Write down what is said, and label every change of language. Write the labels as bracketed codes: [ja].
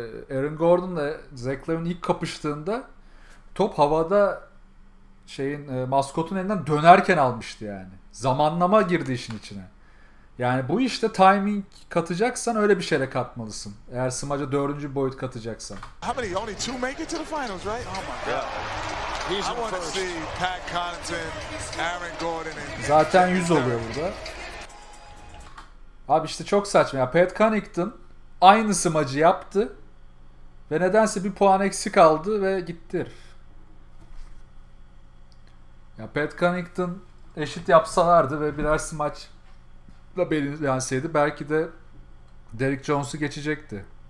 [tr] Aaron Gordon ile Zach Levine ilk kapıştığında top havada şeyin maskotun elinden dönerken almıştı yani. Zamanlama girdi işin içine. Yani bu işte timing katacaksan öyle bir şeye katmalısın. Eğer smaca dördüncü boyut katacaksan. [en] How many? Only two make it to the finals, right? Oh my god. He's I want to see Pat Connaughton, Aaron Gordon and [tr] zaten 100 oluyor burada. Abi işte çok saçma ya. Pat Connaughton aynı smacı yaptı ve nedense bir puan eksik aldı ve gitti. Ya Pat Connaughton eşit yapsalardı ve birer smaçla belirlenseydi belki de Derrick Jones'u geçecekti.